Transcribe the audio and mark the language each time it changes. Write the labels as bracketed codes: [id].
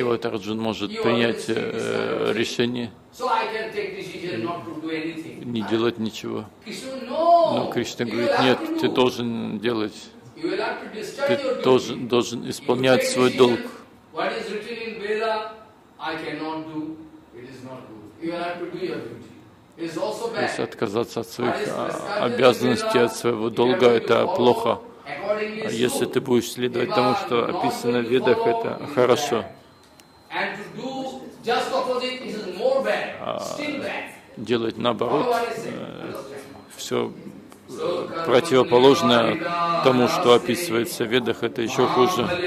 [ru] И вот Арджун может принять решение. [en] So I can take decision not to do anything. [ru] Не делать ничего. [en] Krishna, no. [ru] Но Кришна говорит, нет, ты должен делать. [en] You will have to discharge your duty. [ru] Ты должен исполнять свой долг. [en] What is written in Veda? I cannot do. It is not good. You have to do your duty. It's also bad. [ru] То есть отказаться от своих обязанностей, от своего долга, это плохо. А если ты будешь следовать тому, что описано в ведах, это хорошо. [en] And to do just opposite is more bad. Still bad. [ru] Делать наоборот, все противоположное тому, что описывается в ведах, это еще хуже.